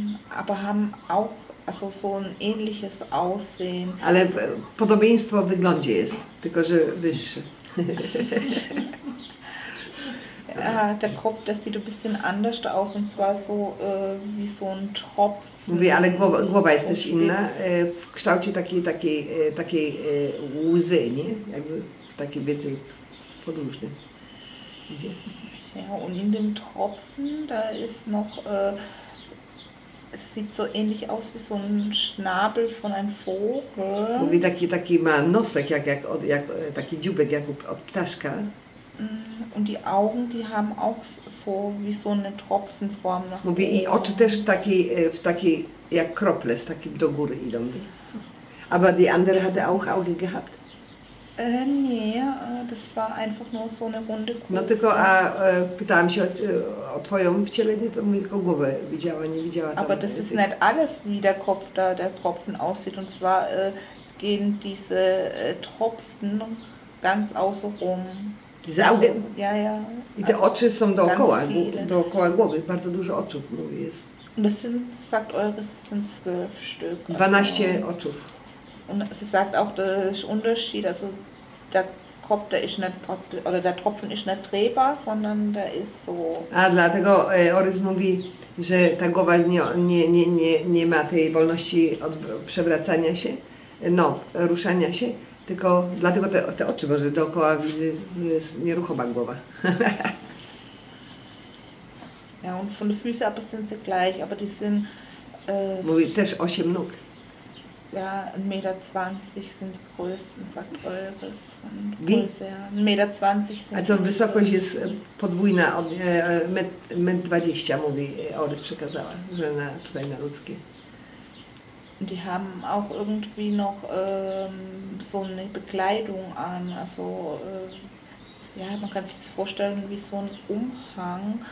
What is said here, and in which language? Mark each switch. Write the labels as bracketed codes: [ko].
[de] Aber haben auch also so ein ähnliches Aussehen. [pl] Ale podobieństwo w wyglądzie jest, tylko że wyższe. [de] Der Kopf, der sieht ein bisschen anders aus, und zwar so wie so ein Tropf. [pl] Mówi, ale głowa jest też inna, w kształcie takiej łzy, nie? Jakby taki więcej podłużny. [de] Ja, und in dem Tropfen, da ist noch... Es sieht so ähnlich aus wie so ein Schnabel von einem Vogel. [pl] Mówi, taki ma nosek, jak taki dziubek, jak od ptaszka. [de] Und die Augen, die haben auch so wie so eine Tropfenform nach oben. [pl] I oczy też w taki jak krople, z takim do góry idą. [de] Aber die andere hatte auch Augen gehabt. Nie, das war einfach nur so eine runde Kugel. [pl] No tylko, pytałam się o twoją wcielenie, to mi tylko głowę widziała, nie widziała. [de] Aber das ist nicht alles, wie der Kopf da, der Tropfen aussieht. Und zwar gehen diese Tropfen ganz außenrum. Diese Augen? Also, ja. [pl] I te oczy są dookoła, dookoła głowy. Bardzo dużo oczów, mówię, jest. [de] Das sind, sagt eures, es sind 12 Stück. [pl] 12 oczów. [de] Und sie sagt auch, das ist Unterschied, also der Kopf, der ist nicht, oder der Tropfen ist nicht drehbar, sondern der ist so... [pl] A dlatego Orys mówi, że ta głowa nie ma tej wolności od przewracania się, no, ruszania się, tylko dlatego te oczy, bo że dookoła widzi, że jest nieruchoma głowa. [de] Ja, und von der Füße aber sind sie gleich, aber die sind... [pl] Mówi, też 8 nóg. [de] Ja, 1,20 m sind die größten, sagt Eures. Wie? 1,20 m sind also, die [pl] wysokość jest podwójna, 1,20 m, mówi Eures, przekazała, że na, tutaj na ludzkie. [de] Die haben auch irgendwie noch so eine Bekleidung an, also ja, man kann sich das vorstellen wie so ein Umhang.